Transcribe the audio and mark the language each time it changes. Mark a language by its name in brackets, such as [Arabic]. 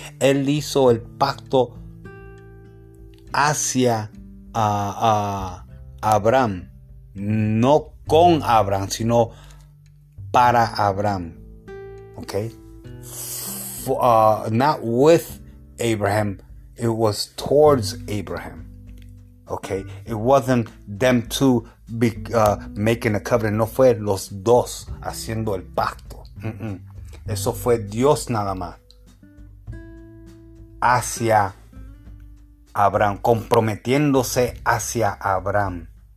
[Spanish] Él hizo el pacto hacia Abraham, no con Abraham, sino para Abraham. [English] Okay, not with Abraham, it was towards Abraham. Okay, it wasn't them two making a covenant, [Spanish] no fue los dos haciendo el pacto. [English] Mm-mm. [Spanish] Eso fue Dios nada más hacia Abraham, comprometiéndose hacia Abraham.